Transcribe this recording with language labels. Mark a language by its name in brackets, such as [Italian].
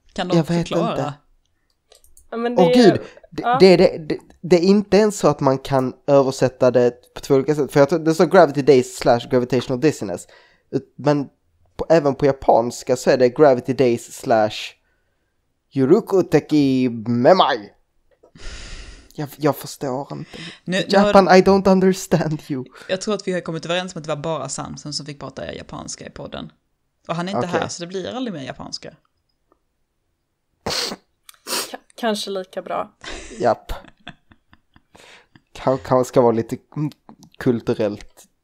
[Swedish] Kan någon förklara? Jag vet inte. Det är inte ens så att man kan översätta det på två olika sätt. För jag tror det står Gravity Daze / Gravitational Dizziness. Men även på japanska så är det Gravity Daze / Yoruku Teki Memai. Jag förstår inte. Nu, Japan, nu har... [English] I don't understand you. [Swedish] Jag tror att vi har kommit överens om att det var bara Samson som fick prata japanska i podden. Och han är inte okay. här, så det blir aldrig mer japanska. Kanske lika bra. Japp. Kanske ska vara lite kulturellt.